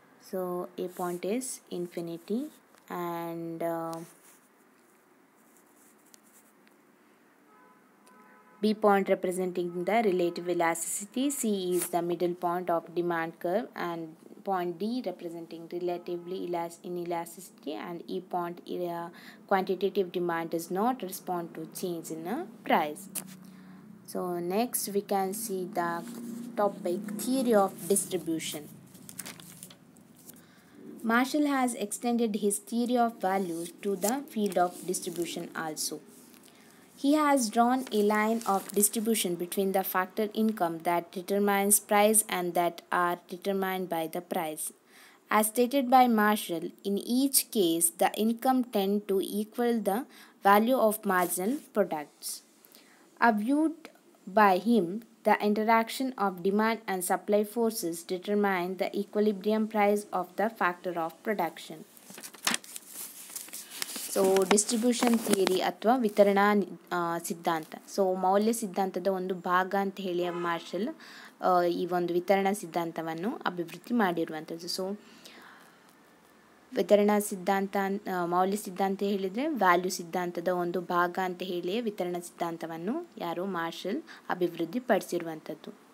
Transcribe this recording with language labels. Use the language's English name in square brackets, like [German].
[English] So A point is infinity and B point representing the relative elasticity, C is the middle point of demand curve and point D representing relatively inelasticity and E point quantitative demand is not respond to change in price. So next we can see the topic theory of distribution. Marshall has extended his theory of values to the field of distribution also. He has drawn a line of distribution between the factor income that determines price and that are determined by the price. As stated by Marshall, in each case, the income tend to equal the value of marginal products. Viewed by him, the interaction of demand and supply forces determine the equilibrium price of the factor of production. [Kannada] So distribution theory ಅಥವಾ ವಿತರಣಾ ಸಿದ್ಧಾಂತ. So ಮೌಲ್ಯ ಸಿದ್ಧಾಂತದ ಒಂದು ಭಾಗ ಅಂತ ಹೇಳಿ marshal ಈ ಒಂದು ವಿತರಣಾ ಸಿದ್ಧಾಂತವನ್ನು ಅಭಿವೃದ್ಧಿ ಮಾಡಿರುವಂಥದ್ದು. ಸೊ ವಿತರಣಾ ಸಿದ್ಧಾಂತ, ಮೌಲ್ಯ ಸಿದ್ಧಾಂತ ಹೇಳಿದರೆ ವ್ಯಾಲ್ಯೂ ಸಿದ್ಧಾಂತದ ಒಂದು ಭಾಗ ಅಂತ ಹೇಳಿ ವಿತರಣಾ ಸಿದ್ಧಾಂತವನ್ನು ಯಾರು ಮಾರ್ಷಲ್ ಅಭಿವೃದ್ಧಿಪಡಿಸಿರುವಂಥದ್ದು.